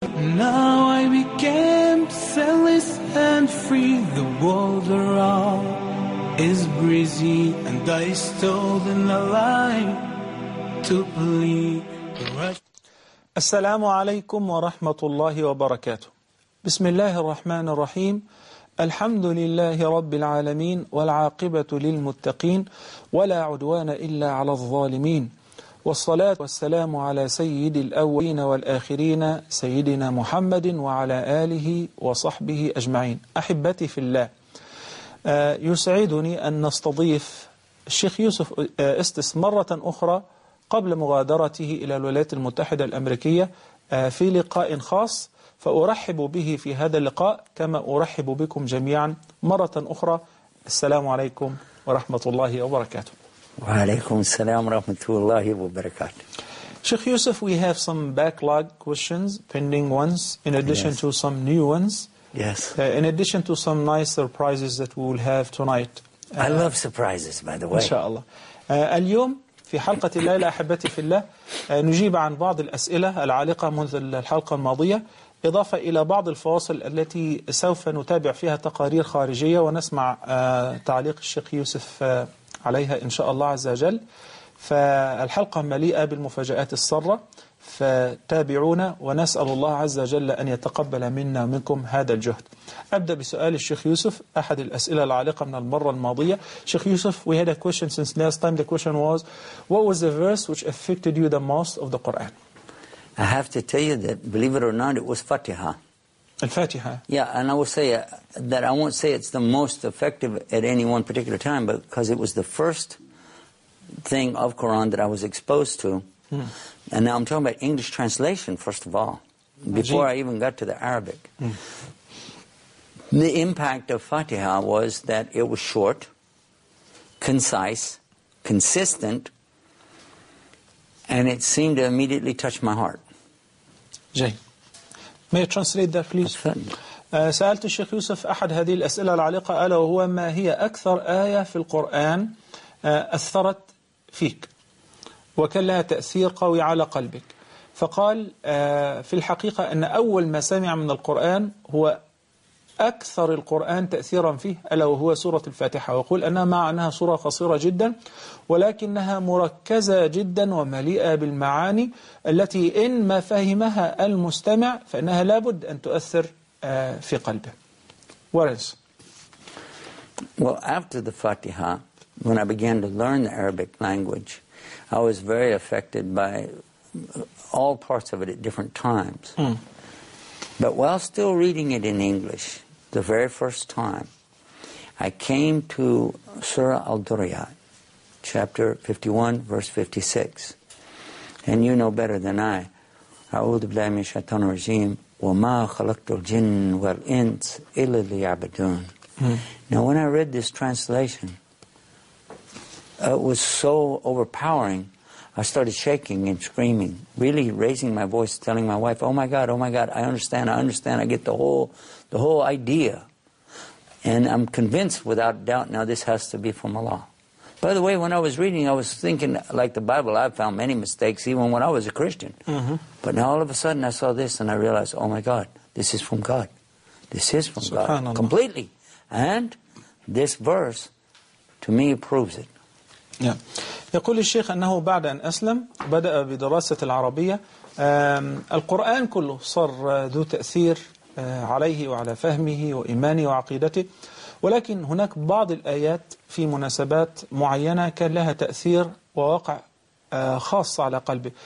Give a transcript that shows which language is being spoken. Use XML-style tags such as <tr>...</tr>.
<en>Now I became selfless and free. The world around is breezy, and I stole in the line to please.</en> <ar>السلام عليكم ورحمة الله وبركاته. بسم الله الرحمن الرحيم. الحمد لله رب العالمين والعاقبة للمتقين ولا عدوان إلا على الظالمين والصلاة والسلام على سيد الأولين والآخرين سيدنا محمد وعلى آله وصحبه أجمعين. أحبتي في الله، يسعدني أن نستضيف الشيخ يوسف استس مرة أخرى قبل مغادرته إلى الولايات المتحدة الأمريكية في لقاء خاص، فأرحب به في هذا اللقاء كما أرحب بكم جميعا مرة أخرى. السلام عليكم ورحمة الله وبركاته. وعليكم السلام ورحمة الله وبركاته.</ar> <en>Sheikh Yusuf, we have some backlog questions, pending ones, in addition to some new ones. Yes. In addition to some nice surprises that we will have tonight. I love surprises, by the way.</en> <ar>إن شاء الله. اليوم في حلقة الليلة أحبتي في الله نجيب عن بعض الأسئلة العالقة منذ الحلقة الماضية، إضافة إلى بعض الفواصل التي سوف نتابع فيها تقارير خارجية ونسمع تعليق الشيخ يوسف عليها إن شاء الله عز وجل. فالحلقة مليئة بالمفاجآت السرة، فتابعونا ونسأل الله عز وجل أن يتقبل منا ومنكم هذا الجهد. أبدأ بسؤال الشيخ يوسف، أحد الأسئلة العالقة من المرة الماضية.</ar> <en>شيخ يوسف, we had a question since last time. The question was, what was the verse which affected you the most of the Quran? I have to tell you that, believe it or not, it was Fatiha. Al-Fatiha. Yeah, and I will say that I won't say it's the most effective at any one particular time, but because it was the first thing of Quran that I was exposed to. Hmm. And now I'm talking about English translation, first of all, before I even got to the Arabic. Hmm. The impact of Fatiha was that it was short, concise, consistent, and it seemed to immediately touch my heart.</en> <ar>جاي.</ar> <en>May I translate that, please?</en> <ar>سألت الشيخ يوسف أحد هذه الأسئلة العالقة، ألا وهو ما هي أكثر آية في القرآن أثرت فيك وكان لها تأثير قوي على قلبك؟ فقال في الحقيقة أن أول ما سمع من القرآن هو أكثر القرآن تأثيرا فيه، ألا وهو سورة الفاتحة. ويقول أنها مع أنها سورة قصيرة جدا ولكنها مركزة جدا ومليئة بالمعاني التي إن ما فهمها المستمع فإنها لابد أن تؤثر في قلبه.</ar> <en>What else? Well, after the Fatiha, when I began to learn the Arabic language, I was very affected by all parts of it at different times. Mm. But while still reading it in English, the very first time, I came to Surah Al-Duriyat, chapter 51, verse 56. And you know better than I.</en> <ar>أعوذ بالله من الشيطان الرجيم وما خلقت الجن والإنس إلا ليعبدون.</ar> <en>Now when I read this translation, it was so overpowering, I started shaking and screaming, really raising my voice, telling my wife, oh my God, I understand, I get the whole idea. And I'm convinced without doubt now this has to be from Allah. By the way, when I was reading, I was thinking, like the Bible, I found many mistakes even when I was a Christian. Mm-hmm. But now all of a sudden I saw this and I realized, oh my God, this is from God. This is from God, completely. And this verse, to me, proves it.</en> <ar>يقول الشيخ أنه بعد أن أسلم بدأ بدراسة العربية، القرآن كله صار ذو تأثير عليه وعلى فهمه وإيمانه وعقيدته، ولكن هناك بعض الآيات في مناسبات معينة كان لها تأثير ووقع خاص على قلبه.</ar>